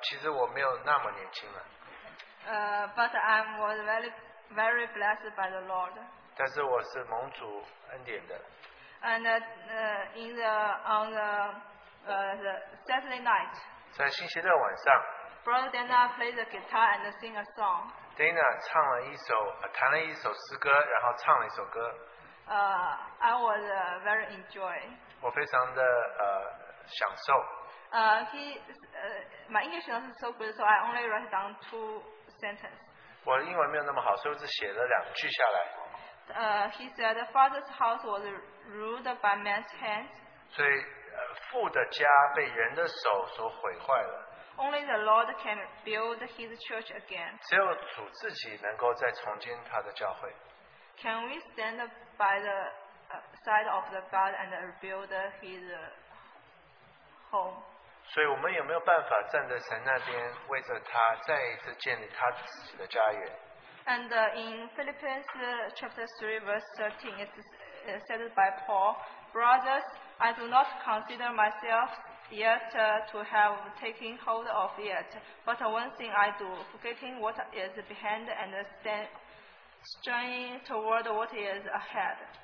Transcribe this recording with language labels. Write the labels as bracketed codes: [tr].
[zh] 其实我没有那么年轻了。 [en] But I'm was very very blessed by the Lord. [zh] 但是我是蒙主恩典的。And [en] in the on the Saturday night. [zh] 在星期六晚上。 [en] Brother Dana played the guitar and sing a song. [zh] Dana 弹了一首诗歌，然后唱了一首歌。 [en] I was very enjoy. [zh] 我非常的 享受。 [en] My English not so good, so I only write down 2 sentences. [zh] 我的英文没有那么好，所以我只写了2句下来。 [en] He said, "Father's house was ruled by man's hands." [zh] 所以 父的家被人的手所毁坏了。 [en] Only the Lord can build His church again. [zh] 只有主自己能够再重建他的教会。 [en] Can we stand by the side of the God and rebuild His home. [zh] 所以我们也没有办法站在神那边为着他再一次建立他自己的家园。 [en] And in Philippians chapter 3 verse 13 it is said by Paul, brothers, I do not consider myself yet to have taken hold of yet, but one thing I do, forgetting what is behind and straining toward what is ahead.